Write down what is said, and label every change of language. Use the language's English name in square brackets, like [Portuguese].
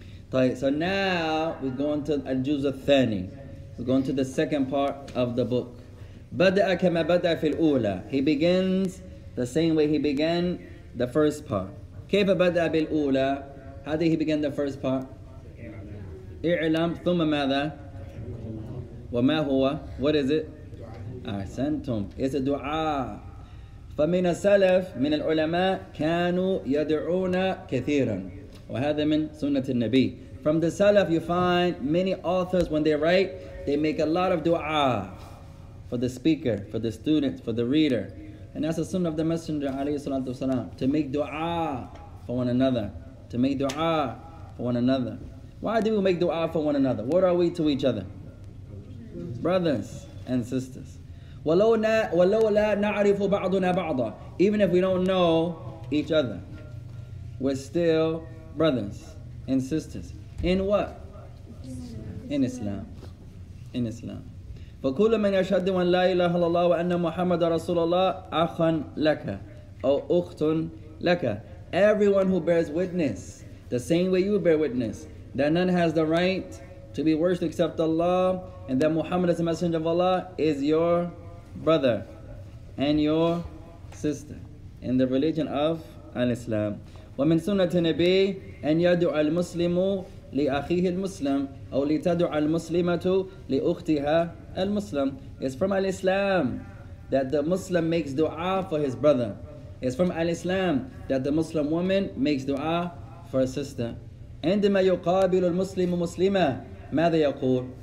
[English] طيب, so now we're going to [Arabic] الجزء الثاني. [English] We're going to the second part of the book. [Arabic] بدأ كما بدأ في الأولى. [English] He begins the same way he began the first part. [Arabic] كيف بدأ بالأولى? [English] How did he begin the first part? [Arabic] إعلام ثم ماذا? وما هو? [English] What is it? [Arabic] أحسنتم. [English] It's a دعاء. [Arabic] فمن السلف من العلماء كانوا يدعون كثيرا. وهذا من سنة النبي. [English] From the Salaf, you find many authors, when they write, they make a lot of dua for the speaker, for the student, for the reader. And that's the sunnah of the Messenger, alayhi salatu wasalam, to make dua for one another. To make dua for one another. Why do we make dua for one another? What are we to each other? Brothers and sisters. [Arabic] وَلَوْلَا نَعْرِفُ بَعْضُنَا بَعْضًا. [English] Even if we don't know each other, we're still brothers and sisters. In what? In Islam. In Islam. [Arabic] فكل من يشهد أن لا إله إلا الله وأن محمد رسول الله أخ لك أو أخت لك. [English] Everyone who bears witness, the same way you bear witness, that none has the right to be worshipped except Allah, and that Muhammad is the Messenger of Allah, is your brother and your sister in the religion of Islam. [Arabic] ومن سنة النبي أن يدعو المسلم لأخيه المسلم أو لتدعو المسلمة لأختها المسلم. [English] It's from Al-Islam that the Muslim makes dua for his brother. It's from Al-Islam that the Muslim woman makes dua for her sister. [Arabic] عندما يقابل المسلم مسلمة ماذا يقول?